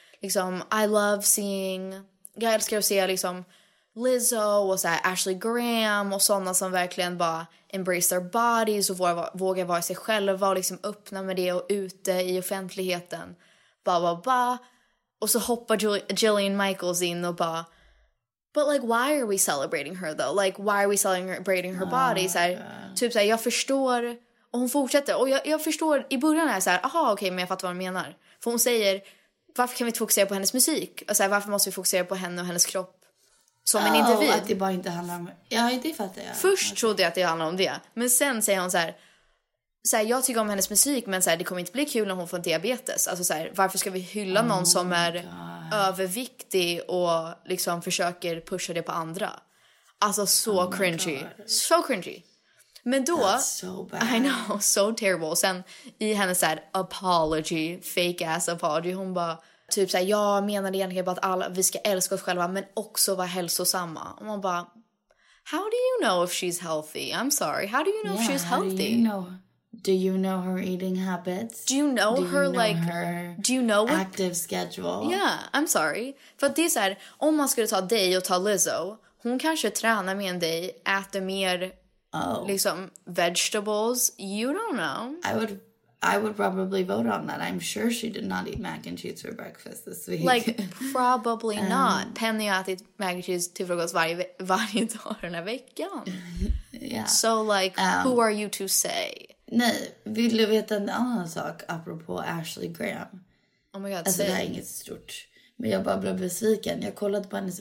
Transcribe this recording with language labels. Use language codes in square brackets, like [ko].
[sv] Liksom, [en] I love seeing... [sv] Jag älskar att se liksom, Lizzo och så här, Ashley Graham och sådana som verkligen bara [en] embrace their bodies [sv] och vågar vara sig själva och liksom öppna med det och ute i offentligheten. Och så hoppar Jillian Michaels in och bara... [en] But like, why are we celebrating her though? Like, why are we celebrating her body? [sv] Så här, typ såhär, jag förstår... Och hon fortsätter. Och jag förstår, i början är jag såhär, aha, okej, men jag fattar vad hon menar. För hon säger... Varför kan vi inte fokusera på hennes musik? Och så här, varför måste vi fokusera på henne och hennes kropp som en individ? Att det bara inte handlar om... Ja, det fattar jag. Först trodde jag att det handlade om det. Men sen säger hon så här, jag tycker om hennes musik, men så här, det kommer inte bli kul om hon får diabetes. Alltså, så här, varför ska vi hylla någon som är överviktig och liksom försöker pusha det på andra? Alltså så cringy. Så cringy. Men då, [en] so bad. I know, so terrible. [sv] Och sen i hennes såhär apology, [en] fake ass apology, [sv] hon bara typ såhär, jag menade egentligen bara att alla, vi ska älska oss själva men också vara hälsosamma. Och man bara, [en] how do you know if she's healthy? I'm sorry, how do you know if she's healthy? Do you know her eating habits? Do you know active schedule? Yeah, I'm sorry. [sv] För det är såhär, om man skulle ta dig och ta Lizzo, hon kanske tränar med dig, äter mer... Oh. Liksom [en] vegetables, you don't know. I would probably vote on that. I'm sure she did not eat mac and cheese for breakfast this week. Like, probably not. [sv] Penny har ätit mac and cheese till frukost varje dag den här veckan. [en] Yeah. So like, who are you to say? [sv] Nej, vill du veta en annan sak apropå Ashley Graham? [en] Oh my god, [sv] alltså, det här är inget stort. Men jag bara blev besviken. Jag kollade på hennes...